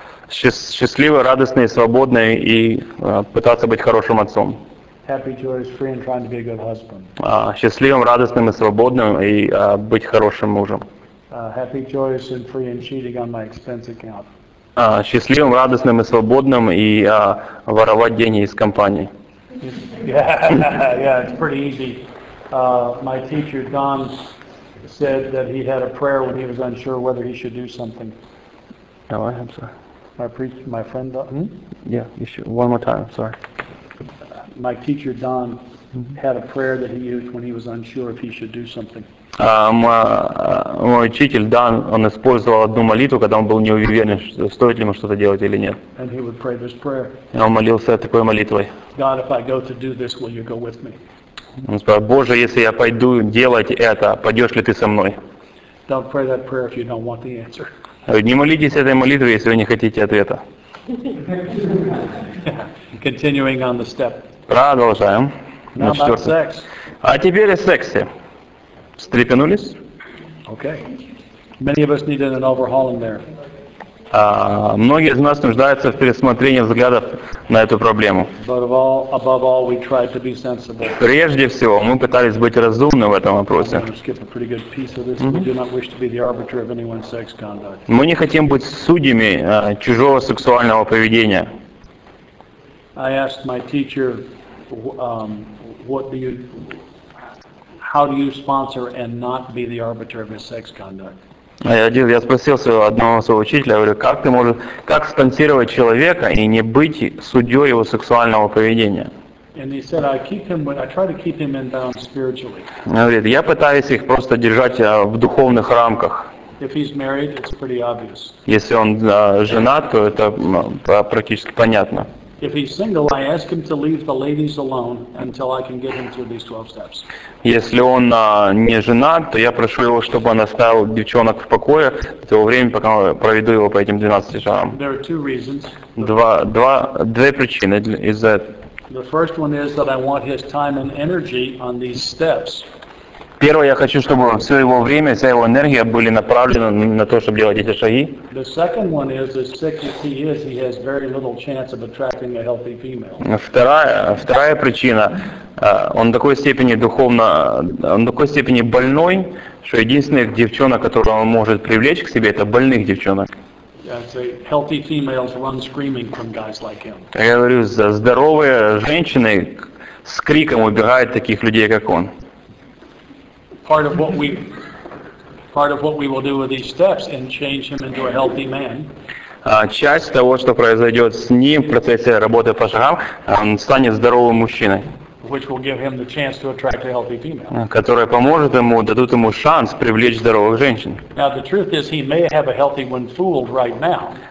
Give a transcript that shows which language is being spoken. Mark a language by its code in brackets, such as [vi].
[ru] Счастливый, радостный, свободный и пытаться быть хорошим отцом. [en] Happy, joyous, free, and trying to be a good husband. [ru] Счастливым, радостным и свободным и быть хорошим мужем. [en] Happy, joyous, and free, and cheating on my expense account. [ru] Счастливым, радостным и свободным и воровать деньги из компании. [en] Yeah, it's pretty easy. My teacher Don said that he had a prayer when he was unsure whether he should do something. No, I am sorry. My friend Don. Yeah, you should. One more time. Sorry. My teacher Don had a prayer that he used when he was unsure if he should do something. [ru] Мой учитель Дан, он использовал одну молитву, когда он был не уверен, стоит ли ему что-то делать или нет. [en] And he would pray this prayer. [ru] И он молился такой молитвой. [en] God, if I go to do this, will you go with me? [ru] Он сказал: Боже, если я пойду делать это, пойдешь ли ты со мной? [en] Don't pray that prayer if you don't want the answer. [ru] Не молитесь этой молитвой, если вы не хотите ответа. [en] Continuing on the step. [ru] Продолжаем. [en] Now about sex. [ru] А теперь о сексе. Встрепенулись? [en] Okay. Many of us need an overhauling there. [ru] Многие из нас нуждаются в пересмотрении взглядов на эту проблему. [en] Above all, we tried to be sensible. [ru] Прежде всего, мы пытались быть разумны в этом вопросе. Мы не хотим быть судьями чужого сексуального поведения. [en] I asked my teacher, what do you... How do you sponsor and not be the arbiter of his sex conduct? [ru] Я спросил одного своего учителя, говорю, как спонсировать человека и не быть судьей его сексуального поведения? [en] And he said, I try to keep him in bounds spiritually. [ru] Говорит, я пытаюсь их просто держать в духовных рамках. [en] If he's married, it's pretty obvious. [ru] Если он женат, то это практически понятно. [en] If he's single, I ask him to leave the ladies alone until I can get him through these 12 steps. [ru] Если он не женат, то я прошу его, чтобы он оставил девчонок в покое до того времени, пока проведу его по этим 12 шагам. [en] There are two reasons. [ru] Две причины из-за этого. [en] The first one is that I want his time and energy on these steps. [ru] Первое, я хочу, чтобы все его время, вся его энергия были направлены на то, чтобы делать эти шаги. [en] The second one is, as sick as he is, he has very little chance of attracting a healthy female. [ru] Вторая причина, он такой степени больной, что единственных девчонок, которые он может привлечь к себе, это больных девчонок. [en] Healthy females run screaming from guys like him. [ru] Я говорю, здоровые женщины с криком убегают таких людей, как он. [en] Part of what we will do with these steps and change him into a healthy man. [ru] Часть того, что произойдет с ним в процессе работы по шагам, он станет здоровым мужчиной. [en] Which will give him the chance to attract a healthy female. [ru] Которая поможет ему, дадут ему шанс привлечь здоровых женщин. [en] Now the truth is, he may have a healthy one fooled right now.